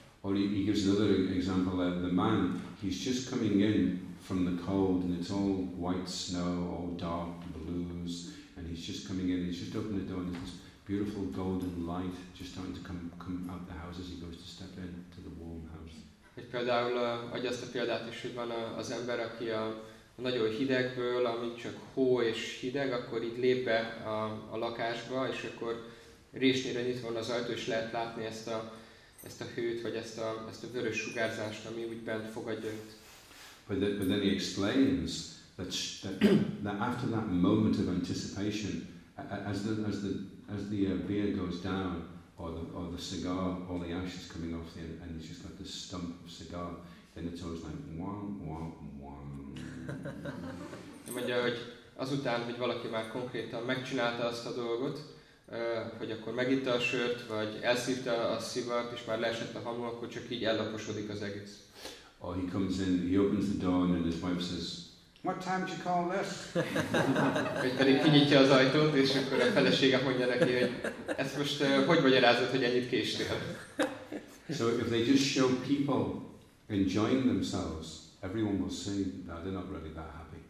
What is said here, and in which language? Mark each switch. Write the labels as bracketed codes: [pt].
[en] Or he gives another example of the man, he's just coming in from the cold and it's all white snow, all dark blues, and he's just coming in, he's just opened the door and there's this beautiful golden light just starting to come out the house as he goes to step into the warm house. [hu] Egy például adja azt a példát is, hogy van az ember, aki a nagyon hidegből, amit csak hó és hideg, akkor így lép be a lakásba, és akkor résnyére nyitva van az ajtó, és lehet látni ezt a hőt, vagy ezt a vörös sugárzást, ami úgy bent fogadja őt. [en] But then he explains that after that moment of anticipation, as the beer goes down, or the cigar, all the ashes coming off the end, and it's just like the stump of cigar, then it's always like, wah, wah, wah. [hu] Mondja, hogy azután, hogy valaki már konkrétan megcsinálta azt a dolgot, hogy akkor megitta a sört, vagy elszívta a szivart, és már leesett a hamu, akkor csak így ellaposodik az egész. [en] Or he comes in, he opens the door, and then his wife says, what time did you call this? [hu] Vagy pedig kinyitja az ajtót, és akkor a felesége mondja neki, hogy ezt most hogy magyarázod, hogy ennyit késtél? [en] So if they just show people enjoying themselves, everyone will see that they're not really that happy.